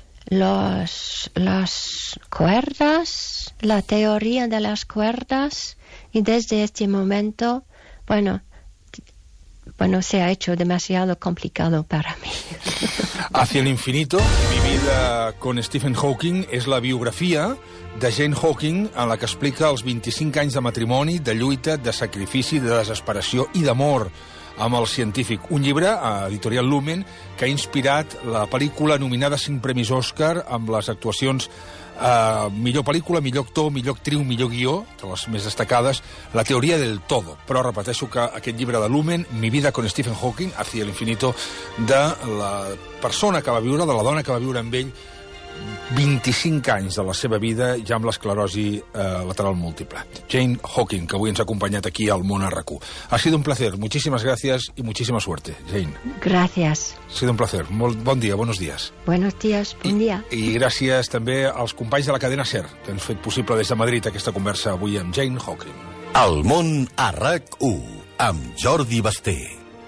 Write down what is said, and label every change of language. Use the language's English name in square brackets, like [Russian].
[Spanish] las cuerdas, la teoría de las cuerdas, y desde este momento, bueno, se ha hecho demasiado complicado para mí. Hacia el infinito, mi vida con Stephen Hawking es la biografía de Jane Hawking, en la que explica [Catalan] els 25 anys de matrimoni, de lluita, de sacrifici, de desesperació i d'amor amb el científic. Un llibre, a Editorial Lumen, que ha inspirat la pel·lícula nominada 5 Premis Òscar amb les actuacions millor pel·lícula, millor actor, millor actriu, millor guió, de les més destacades, La teoria del todo. Però repeteixo que aquest llibre de Lumen, Mi vida con Stephen Hawking, Hacia el infinito, de la persona que va viure, de la dona que va viure amb ell, 25 anys de la seva vida ja amb l'esclerosi lateral múltiple. Jane Hawking, que avui ens ha acompanyat aquí al Món a RAC1. [Spanish] Ha sido un placer. Muchísimas gracias y muchísima suerte, Jane. Gracias. Ha sido un placer. [Catalan] Bon dia, [Spanish] buenos días. Buenos días, [Catalan] bon dia. I gràcies també als companys de la cadena SER, que ens han fet possible des de Madrid aquesta conversa avui amb Jane Hawking. El Món a RAC1, amb Jordi Basté.